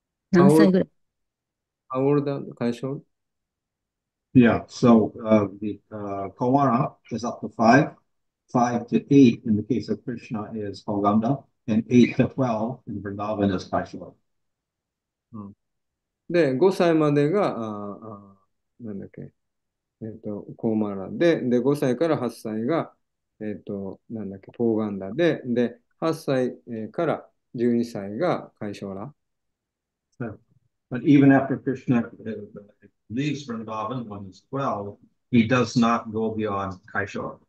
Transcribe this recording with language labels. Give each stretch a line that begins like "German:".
Japanese: 何歳ぐらい？
English: How old are the Kaishora? Yeah, so the Komara is up to five. Five to eight in the case of Krishna is Poganda, and 8 to 12 in Vrindavan is Kaishora.
Japanese: で、5歳までが、なんだっけ、コーマラで、で、5歳から8歳が、なんだっけ、ポーガンダで、で、8歳から12歳がカイショーラ。
English: But even after Krishna leaves Vrindavan when he's 12, he does not go beyond Kaishora.